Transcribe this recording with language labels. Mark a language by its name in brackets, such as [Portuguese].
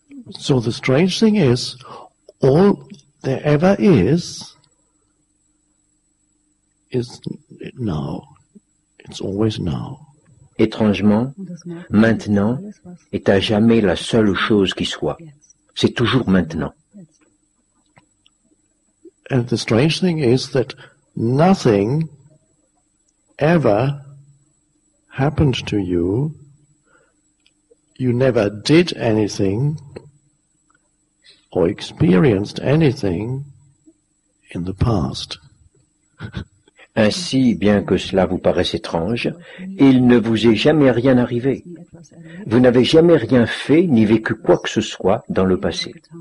[English] So the strange thing is, all there ever is now. It's always now. [French] Étrangement, maintenant est à jamais la seule chose qui soit. C'est toujours maintenant. [English] And the strange thing is that nothing ever happened to you. You never did anything or experienced anything in the past. [French] Ainsi, bien que cela vous paraisse étrange, il ne vous est jamais rien arrivé. Vous n'avez jamais rien fait ni vécu quoi que ce soit dans le passé.